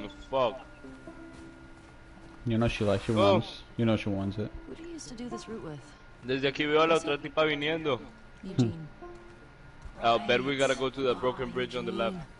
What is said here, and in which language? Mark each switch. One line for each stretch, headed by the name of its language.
English: Fuck. You know she likes your ones. You know she wants it. Who do you used to do this route with?
Spanish: Desde aquí veo a la otra tipa viniendo.
English: Eugene. I'll bet we gotta go to the broken bridge on the left.